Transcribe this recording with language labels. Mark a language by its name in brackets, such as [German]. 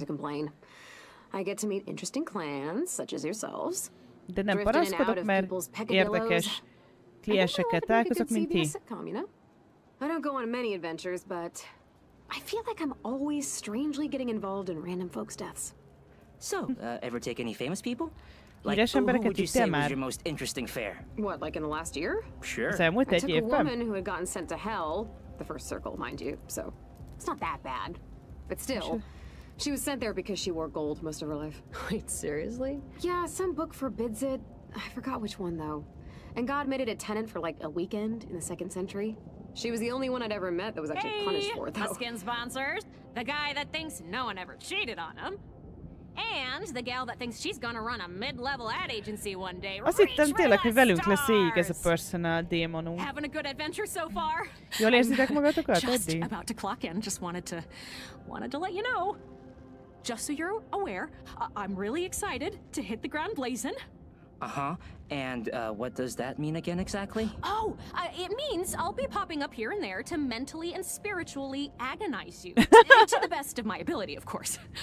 [English] You know, I get to meet interesting clans such as yourselves. [Hungarian] De nem paraszkodok, mert érdekes klienseket találkozok, mint ti. [English] I don't go on many adventures, but I feel like I'm always strangely getting involved in random folks' deaths. So, ever take any famous people? Like, who would you say was your most interesting fare? What, like in the last year? Sure. I took a woman who had gotten sent to hell, the first circle, mind you, so it's not that bad. But still, she was sent there because she wore gold most of her life. Wait, seriously? Yeah, some book forbids it. I forgot which one, though. And God made it a tenant for, like, a weekend in the second century. She was the only one I'd ever met that was actually punished for, though. Hey, Huskin sponsors. The guy that thinks no one ever cheated on him. And the gal that thinks she's gonna run a mid-level ad agency one day. [Hungarian] Azt hittem tényleg, hogy velünk lesz így ez a personal démonunk. [English] Having a good adventure so far. [Hungarian] Jól érzitek magatokat, Eddie? [English] Just about to clock in. Just wanted to let you know. Just so you're aware, I'm really excited to hit the ground blazing. Uh-huh. And what does that mean again exactly? Oh, it means I'll be popping up here and there to mentally and spiritually agonize you. To the best of my ability, of course.